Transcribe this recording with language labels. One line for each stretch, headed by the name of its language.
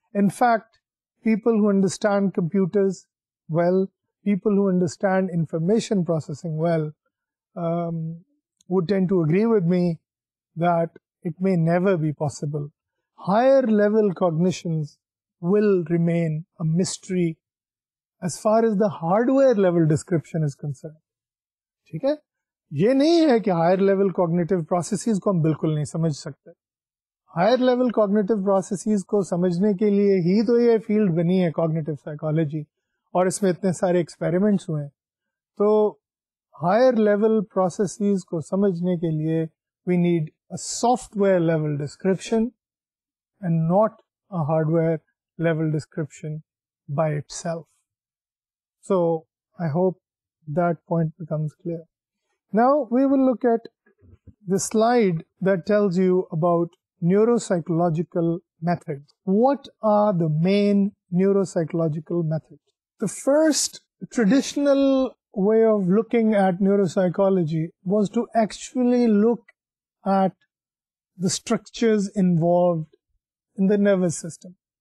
English: In fact, people who understand computers well, people who understand information processing well, would tend to agree with me that it may never be possible. Higher level cognitions will remain a mystery as far as the hardware level description is concerned.
Urdu: Theek hai, یہ نہیں ہے کہ higher level cognitive processes کو ہم بالکل نہیں سمجھ سکتے. ہائر لیول کوگنیٹو پروسیسز کو سمجھنے کے لیے ہی تو یہ فیلڈ بنی ہے کوگنیٹو سائیکالوجی, اور اس میں اتنے سارے ایکسپیریمنٹس ہوئے ہیں. تو ہائر لیول پروسیسز کو سمجھنے کے لیے
English: We need a software level description and not a hardware level description by itself. So I hope that point becomes clear. Now we will look at the slide that tells you about neuropsychological methods. What are the main neuropsychological methods? The first traditional way of looking at neuropsychology was to actually look at the structures involved in the nervous system.